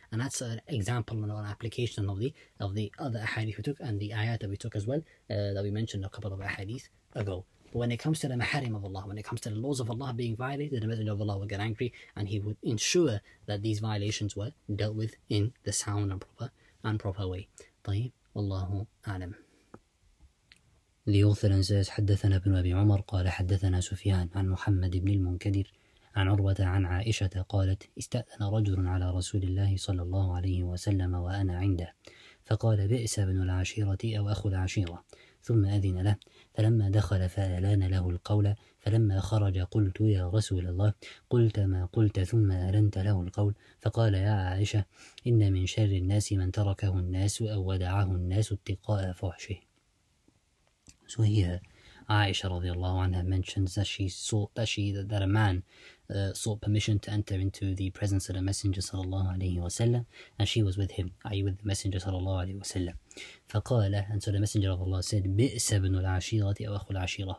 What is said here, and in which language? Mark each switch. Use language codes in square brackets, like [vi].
[en] And that's an example and an application of the other ahadith we took and the ayat that we took as well, that we mentioned a couple of ahadith ago. But when it comes to the maharim of Allah, when it comes to the laws of Allah being violated, the Messenger of Allah would get angry and he would ensure that these violations were dealt with in the sound and proper way. [ar] طيب والله أعلم. [en] The author then says, [ar] حدثنا ابن أبي عمر قال حدثنا سفيان عن محمد بن المنكدر عن عروة عن عائشة قالت استأذن رجل على رسول الله صلى الله عليه وسلم وأنا عنده فقال بئس ابن العشيرة أو أخو العشيرة ثم أذن له فلما دخل فألان له القول فلما خرج قلت يا رسول الله قلت ما قلت ثم أرنت له القول فقال يا عائشة إن من شر الناس من تركه الناس أو ودعه الناس اتقاء فحشه. [en] So here, Aisha radiallahu anha mentions that that a man sought permission to enter into the presence of the Messenger sallallahu alayhi wa sallam, and she was with him, i.e. with the Messenger sallallahu alayhi wa sallam. فَقَالَ, and so the Messenger of Allah said, [ar] بِئْسَ بْنُ الْعَشِيرَةِ أَوَخُ الْعَشِيرَةِ.